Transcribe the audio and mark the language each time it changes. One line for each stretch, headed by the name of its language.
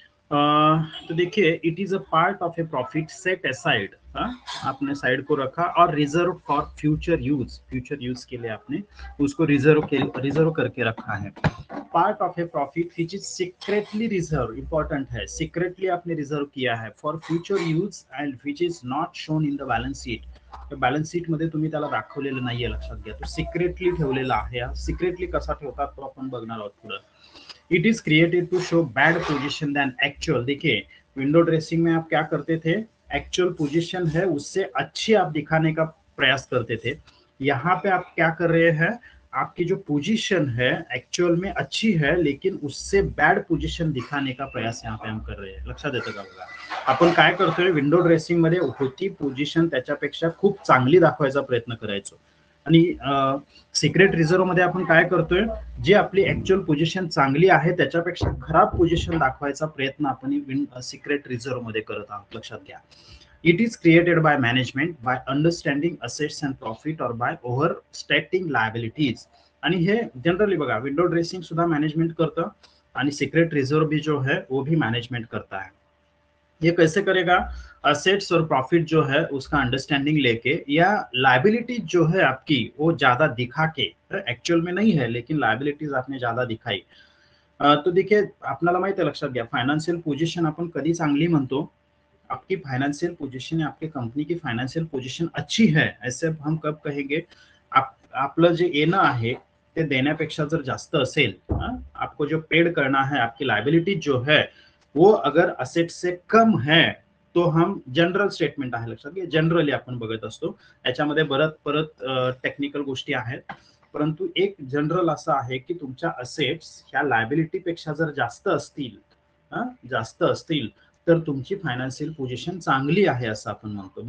Hindi: तो देखिए,
English: it is a part of a profit set aside,
Hindi: आपने साइड को रखा और
English: reserve for future use,
Hindi: future use के लिए आपने उसको रिजर्व करके रखा है।
English: part of a profit which is secretly reserve,
Hindi: important है, सीक्रेटली आपने रिजर्व किया है
English: for future use and which is not shown in the balance sheet,
Marathi: balance sheet मध्ये तुम्ही त्याला दाखवलेलं नाहीये, लक्षात घ्या। तो सीक्रेटली ठेवलेला आहे, सीक्रेटली कसा ठेवतात तो आपण बघणार आहोत पुढे।
English: it is created to show bad position than actual,
Hindi: देखिए विंडो ड्रेसिंग में आप क्या करते थे, एक्चुअल पोजीशन है उससे अच्छे आप दिखाने का प्रयास करते थे। यहाँ पे आप क्या कर रहे हैं, आपकी जो पोजीशन है एक्चुअल में अच्छी है लेकिन उससे बैड पोजीशन दिखाने का प्रयास यहाँ पे हम कर रहे हैं।
Marathi: लक्षात येतं का बघा, आपण काय करतोय, विंडो ड्रेसिंग मध्ये होती पोजीशन त्याच्यापेक्षा खूप चांगली दाखवायचा प्रयत्न करायचो, आणि सिक्रेट रिझर्व मध्ये आपण काय करतोय, जे आपली ऍक्च्युअल पोजिशन चांगली आहे त्याच्यापेक्षा खराब पोजिशन दाखवायचा प्रयत्न आपण सिक्रेट रिझर्व मध्ये करत आहोत। लक्षात घ्या,
English: It is created by management by understanding assets and profit और by overstating liabilities.
Marathi: आणि हे जनरली बघा, विंडो ड्रेसिंग सुद्धा मॅनेजमेंट करतं आणि सिक्रेट रिझर्व
Hindi: भी जो है वो भी मॅनेजमेंट करता है। ये कैसे करेगा, असेट्स और प्रॉफिट जो है उसका अंडरस्टैंडिंग लेके, या लायबिलिटीज जो है आपकी वो ज्यादा दिखा के, एक्चुअल में नहीं है लेकिन लायबिलिटीज आपने ज्यादा दिखाई। तो देखिए
Marathi: आपल्याला माहिती आहे, लक्षात घ्या, फायनान्शियल पोजिशन आपण कधी चांगली म्हणतो,
Hindi: आपकी फायनान्शियल पोजिशन या आपके कंपनी की फायनान्शियल पोजिशन अच्छी है ऐसे हम कब कहेंगे,
Marathi: आपलं जे येणं आहे ते देण्यापेक्षा जर जास्त असेल,
Hindi: आपको जो पेड करना है आपकी लायबिलिटीज जो है वो अगर असेट से कम है तो हम
Marathi: जनरल स्टेटमेंट आहे, लक्षात घ्या, जनरली आपण बघत असतो, याच्यामध्ये परत परत टेक्निकल गोष्टी आहेत, परंतु एक जनरल असं आहे की तुमच्या असेट्स ह्या लायबिलिटी पेक्षा जर जास्त असतील, जास्त असतील तर तुमची फायनान्शियल पोजिशन चांगली आहे असं आपण म्हणतो।